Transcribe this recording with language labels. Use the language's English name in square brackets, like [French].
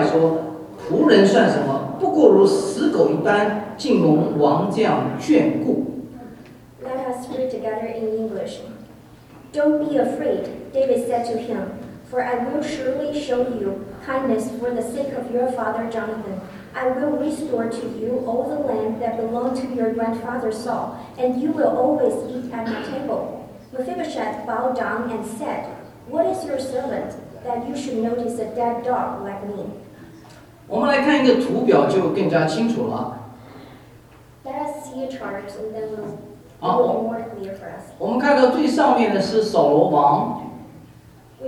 [Chinese] 我们一起来攻读这个第7节到8节，一起来请大卫说：“你不要惧怕，我必因你父亲约纳丹的缘故施恩于你，将你祖父扫罗的一切田地都归还给你，你也可以常与我同席吃饭。”米非波设又叩拜说：“仆人算什么？不过如死狗一般，竟蒙王这样眷顾。” [English] Let us read together in English. Don't be afraid, David said to him, for I will surely show you kindness for the sake of your father Jonathan. I will restore to you all the land that belonged to your grandfather Saul, and you will always eat at my table. Mephibosheth bowed down and said, What is your servant that you should notice a dead dog like me? [Chinese] 我们来看一个图表就更加清楚了。 [English] Let us see a chart and then it will be more clear for us. [Chinese] 我们看到最上面的是扫罗王。 [English] We